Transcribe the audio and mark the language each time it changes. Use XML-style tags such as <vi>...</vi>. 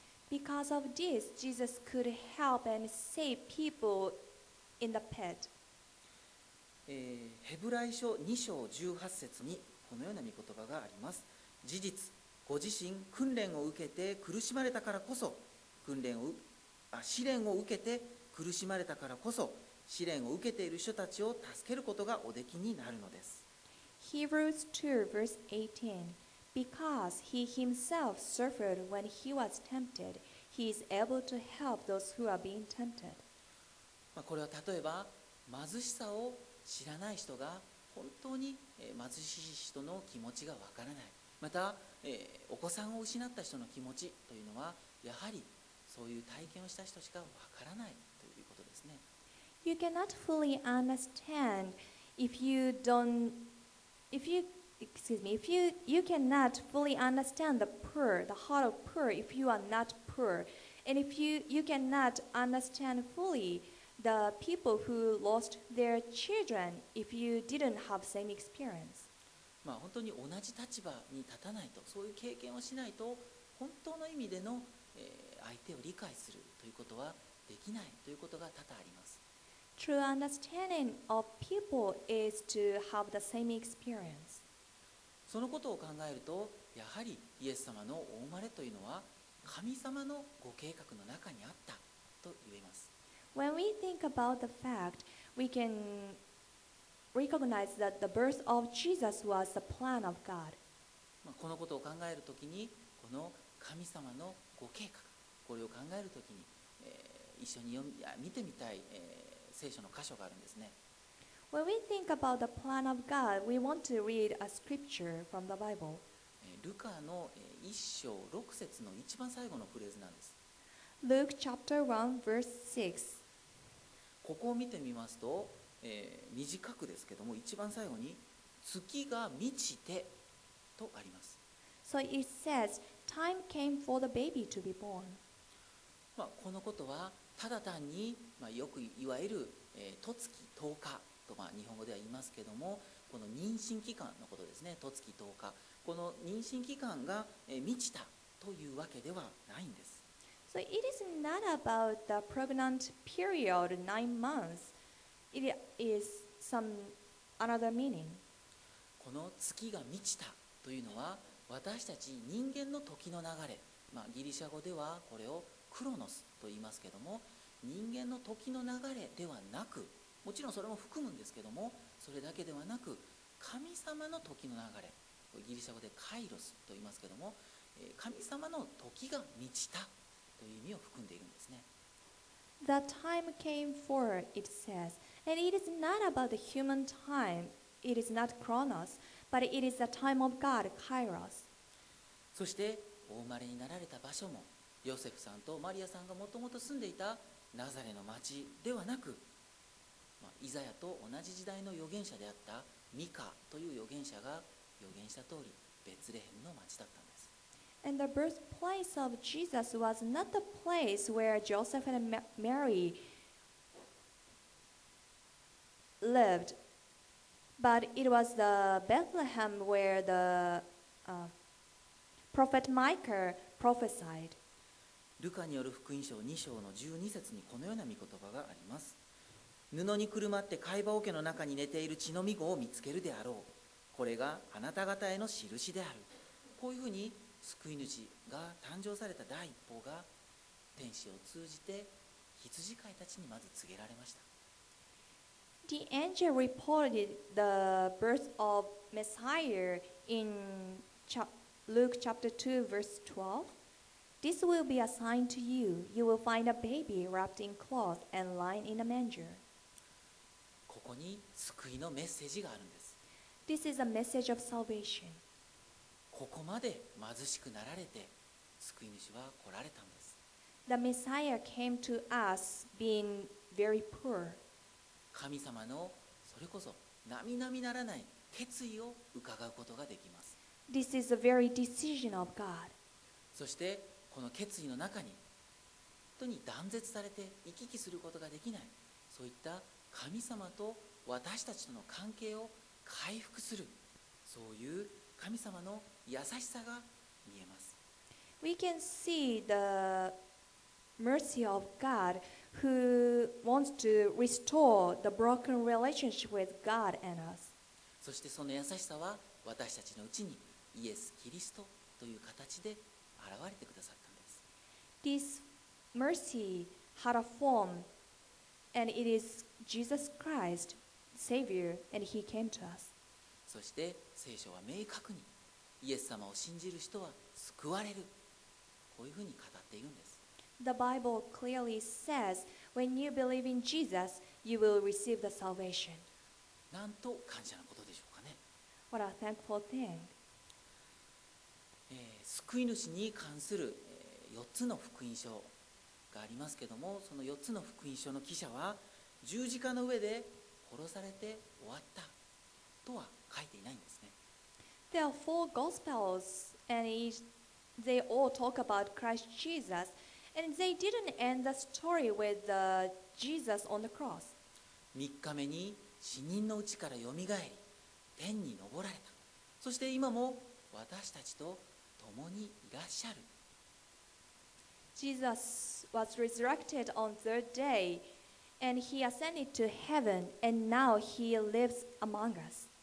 <en>Because of this, Jesus could help and save people in the pit.</en> <ja>ヘブライ書2章18節にこのような御言葉があります。事実、ご自身訓練を受けて苦しまれたからこそ、試練を受けて苦しまれたからこそ、試練を受けている人たちを助けることがおできになるのです。</ja> <en>Hebrews 2 verse 18 Because he himself suffered when he was tempted, he is able to help those who are being tempted.</en> <ja>まあこれは例えば貧しさを知らない人が本当に貧しい人の気持ちがわからない。また、お子さんを失った人の気持ちというのはやはりそういう体験をした人しかわからないということですね。</ja> <en>You cannot fully understand if you don't. If you cannot fully understand the poor, the heart of poor, if you are not poor, and if you cannot understand fully the people who lost their children, if you didn't have same experience.</en> <ja>まあ本当に同じ立場に立たないと、そういう経験をしないと、本当の意味での、相手を理解するということはできないということが多々あります。</ja> <en>True understanding of people is to have the same experience.</en> <ja>そのことを考えると、やはりイエス様のお生まれというのは神様のご計画の中にあったと言えます。</ja> <en>When we think about the fact, we can recognize that the birth of Jesus was the plan of God.</en> <ja>まあこのことを考えるときに、この神様のご計画、これを考えるときに、一緒に見てみたい、聖書の箇所があるんですね。</ja> <en>When we think about the plan of God, we want to read a scripture from the Bible.</en> <ja>ルカの1章6節の一番最後のフレーズなんです。</ja> <en>Luke chapter 1 verse 6.</en> <ja>ここを見てみますと、短くですけども、一番最後に月が満ちてとあります。</ja> <en>So it says, time came for the baby to be born.</en> <ja>まあこのことはただ単に、まあ、よくいわゆる、トツキ10日と、まあ、日本語では言いますけども、この妊娠期間のことですね。トツキ10日、この妊娠期間が、満ちたというわけではないんです。</ja> <en>So it is not about the pregnant period 9 months. It is some another meaning.</en> <ja>この月が満ちたというのは、私たち人間の時の流れ、まあ、ギリシャ語ではこれをクロノスと言いますけども、人間の時の流れではなく、もちろんそれも含むんですけども、それだけではなく神様の時の流れ、これギリシャ語でカイロスと言いますけども、神様の時が満ちたという意味を含んでいるんですね。</ja> <en>The time came for, it says, and it is not about the human time. It is not Chronos, but it is the time of God, Kairos.</en> <ja>そしてお生まれになられた場所も、ヨセフさんとマリアさんがもともと住んでいたナザレの町ではなく、まあ、イザヤと同じ時代の預言者であったミカという預言者が預言した通り、ベツレヘムの町だったんです。</ja> <en>And the birthplace of Jesus was not the place where Joseph and Mary lived, but it was the Bethlehem where the prophet Micah prophesied.</en> <ja>ルカによる福音書2章の12節にこのような見言葉があります。布にくるまって貝羽桶の中に寝ている血の御子を見つけるであろう。これがあなた方への印である。こういうふうに救い主が誕生された第一報が天使を通じて羊飼いたちにまず告げられました。</ja> <en>The angel reported the birth of Messiah in Luke chapter 2 verse 12. This will be a sign to you. You will find a baby wrapped in cloth and lying in a manger.</en> <ja>ここに救いのメッセージがあるんです。</ja> <en>This is a message of salvation.</en> <ja>ここまで貧しくなられて救い主は来られたんです。</ja> <en>The Messiah came to us being very poor.</en> <ja>神様のそれこそ並々ならない決意を伺うことができます。</ja> <en>This is a very decision of God.</en> <ja>そしてこの決意の中に本当に断絶されて行き来することができない、そういった神様と私たちとの関係を回復する、そういう神様の優しさが見えます。</ja> <en>We can see the mercy of God who wants to restore the broken relationship with God and us.</en> <ja>そしてその優しさは私たちのうちにイエス・キリストという形で現れてくださったんです。</ja> <en>This mercy had a form and it is Jesus Christ, Savior, and He came to us.</en> <ja>そして聖書は明確にイエス様を信じる人は救われる、こういうふうに語っているんです。</ja> <en>The Bible clearly says when you believe in Jesus you will receive the salvation.</en> <ja>なんと感謝なことでしょうかね。</ja> <en>What a thankful thing.</en> <ja>救い主に関する4つの福音書がありますけども、その4つの福音書の記者は十字架の上で殺されて終わったとは書いていないんですね。</ja> <en>There are four gospels and they all talk about Christ Jesus and they didn't end the story with the Jesus on the cross.</en> <ja>3日目に死人のうちからよみがえり天に昇られた、そして今も私たちと共にいらっしゃる。</ja> <en>Jesus was resurrected on third day and he ascended to heaven and now he lives among us.</en>